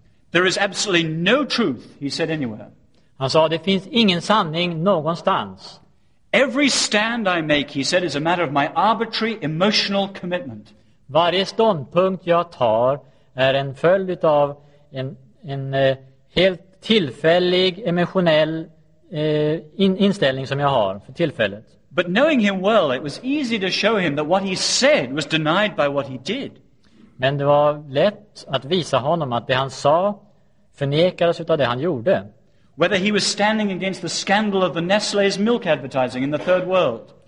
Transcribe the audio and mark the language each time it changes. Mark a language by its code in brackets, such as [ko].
[en] There is absolutely no truth, he said anywhere. [sv] Han sa, det finns ingen sanning någonstans. [en] Every stand I make, he said, is a matter of my arbitrary emotional commitment. [sv] Varje ståndpunkt jag tar är en följd av en helt tillfällig emotionell inställning som jag har för tillfället. [en] But knowing him well, it was easy to show him that what he said was denied by what he did. [sv] Men det var lätt att visa honom att det han sa förnekades utav det han gjorde. [en] Whether he was standing against the scandal of the Nestle's milk advertising in the third world.